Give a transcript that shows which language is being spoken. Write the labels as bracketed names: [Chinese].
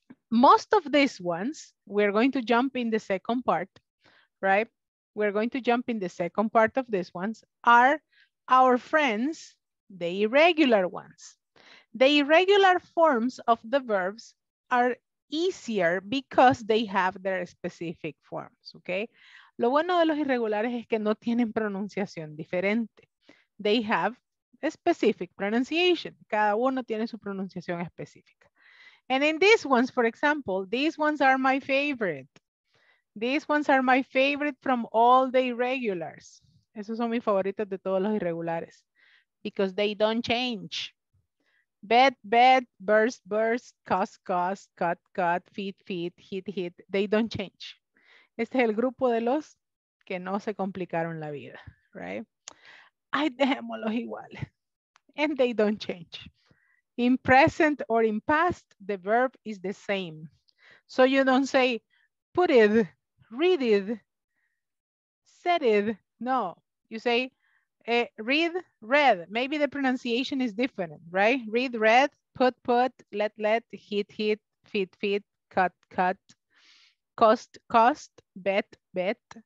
[English] Most of these ones, we're going to jump in the second part, right? We're going to jump in the second part of these ones are our friends, the irregular ones. The irregular forms of the verbs are easier because they have their specific forms, okay? [Spanish] Lo bueno de los irregulares es que no tienen pronunciación diferente. [English] They have a specific pronunciation. [Spanish] Cada uno tiene su pronunciación específica. [English] And in these ones, for example, these ones are my favorite. These ones are my favorite from all the irregulars. [Spanish] Esos son mis favoritos de todos los irregulares. [English] Because they don't change. [Spanish] Bed, bed, burst, burst, cost, cost, cut, cut, feet, feet, hit, hit. They don't change. Este es el grupo de los que no se complicaron la vida, right? Ay, dejémoslos iguales. [English] And they don't change. In present or in past, the verb is the same. So you don't say, put it, read it, said it. No, you say, read, read. Maybe the pronunciation is different, right? Read, read, put, put, let, let, hit, hit, feed, feed, cut, cut, cost, cost, bet, bet.